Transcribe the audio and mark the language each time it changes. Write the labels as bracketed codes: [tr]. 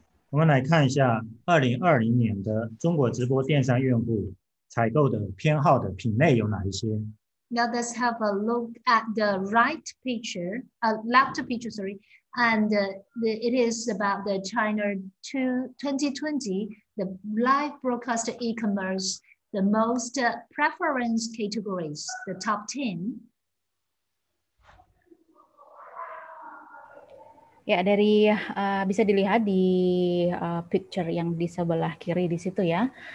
[zh] 我们来看一下2020年的中国直播电商用户采购的偏好的品类有哪一些 [en] ？Now let's have a look at the right picture, a left picture, sorry, and it is about the China 2020, the live broadcast e-commerce, the most preference categories, the top 10. [id] Ya, dari bisa dilihat di picture yang di sebelah kiri di situ ya.